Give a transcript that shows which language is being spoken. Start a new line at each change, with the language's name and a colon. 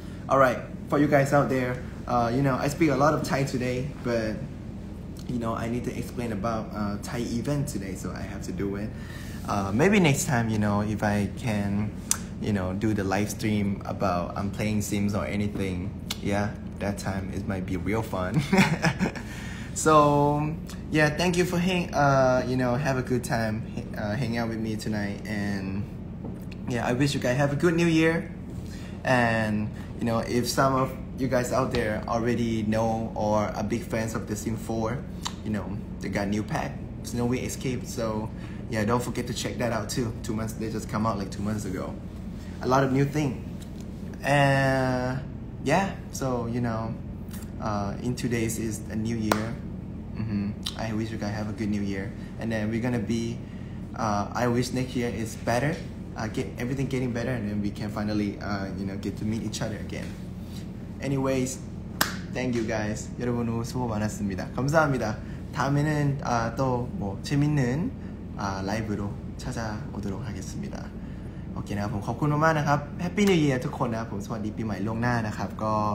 English: alright for you guys out there you know I speak a lot of Thai today but you know I need to explain about Thai event today so I have to do it maybe next time you know if I can you know do the live stream about I'm playing Sims or anything yeah that time it might be real fun so yeah thank you for hang you know have a good time hang out with me tonight andYeah, I wish you guys have a good new year. And, you know, if some of you guys out there already know or are big fans of The Sims 4, you know, they got a new pack, Snowy Escape. So, yeah, don't forget to check that out too. They just come out like 2 months ago. A lot of new things. And, yeah, so, you know, in 2 days is a new year. I wish you guys have a good new year. And then we're gonna be, I wish next year is better. Get everything getting better and then we can finally you know get to meet each other again anyways thank you guys
Korean: 여러분 수고 많았습니다 감사합니다 다음에는 또 뭐 재밌는 라이브로 찾아오도록 하겠습니다
Thai: โอเคนะครับผมขอบคุณมากๆนะครับ
English: Happy New Year
Thai: ทุกคนนะครับผมสวัสดีปีใหม่ล่วงหน้านะครับก็